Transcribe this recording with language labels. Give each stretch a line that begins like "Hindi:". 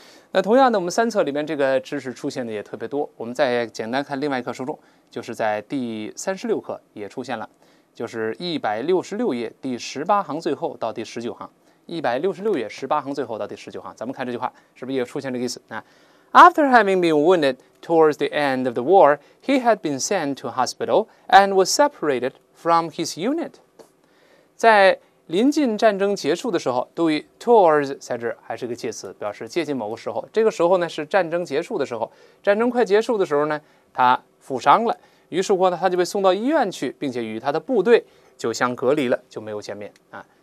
Chinese: 那同样的，我们三册里面这个知识出现的也特别多。我们再简单看另外一课书中，就是在第36课也出现了，就是166页第18行最后到第19行，166页18行最后到第19行，咱们看这句话是不是也出现这个意思啊？
English: After having been wounded towards the end of the war, he had been sent to hospital and was separated from his unit.
Chinese: 在临近战争结束的时候，对于 towards 在这还是个介词，表示接近某个时候。这个时候呢是战争结束的时候，战争快结束的时候呢，他负伤了，于是乎呢他就被送到医院去，并且与他的部队就相隔离了，就没有见面啊。